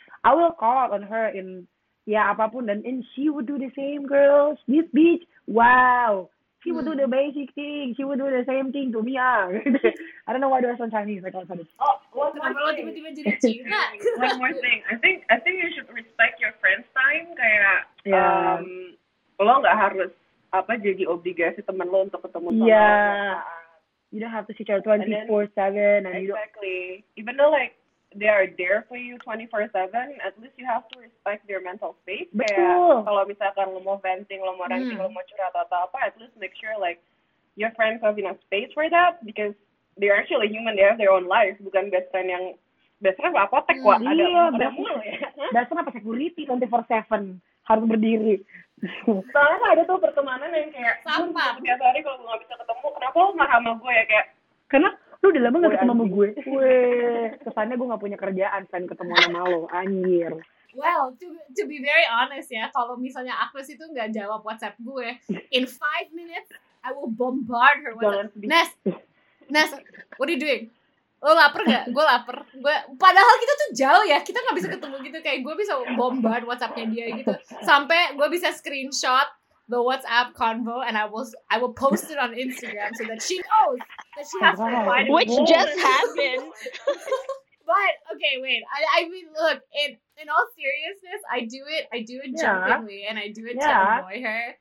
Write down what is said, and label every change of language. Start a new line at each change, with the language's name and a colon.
English: I will call out on her in, yeah, apapun. And she would do the same, girls. This bitch, wow. She would do the basic thing. She would do the same thing to me. Ah. I don't know why do I sound Chinese. I can't say this. Oh, one more thing. I think you should respect your friend's time. Kayak, yeah.
Indonesian: Lo gak harus apa jadi obligasi temen lo untuk ketemu sama
English: lo. You don't have to see each other 24/7. And exactly. Even though like, they are there for you 24/7, at least you have to respect their mental space.
Indonesian: Betul. Kalau misalkan lo mau venting, lo mau ranting, lo mau curhat atau apa,
English: at least make sure like your friends have enough space for that, because they're actually human, they have their own life,
Indonesian: bukan best friend yang best friend apa apotek kok. Ada iya, ada mulu ya. Best friend apa security 24/7 harus berdiri. Soalnya ada tuh pertemanan yang kayak sampah. Setiap hari kalau gue nggak bisa ketemu, kenapa lo marah sama gue ya kayak? Karena lu udah lama gak ketemu sama gue. Weh, kesannya gue gak punya kerjaan pengen ketemu sama lo, anjir.
English: Well, to be very honest
Indonesian: ya, kalau misalnya Agnes itu gak jawab WhatsApp gue,
English: in 5 minutes, I will bombard her with Nes, what are you doing?
Indonesian: Lo lapar gak? Gue lapar. Padahal kita tuh jauh ya, kita gak bisa ketemu gitu. Kayak gue bisa bombard WhatsApp-nya dia gitu. Sampai gue bisa
English: screenshot the WhatsApp convo and I will post it on Instagram so that she knows that she has to reply. Which just happened. But okay, wait. I mean, look. In all seriousness, I do it jokingly and I do it to annoy her.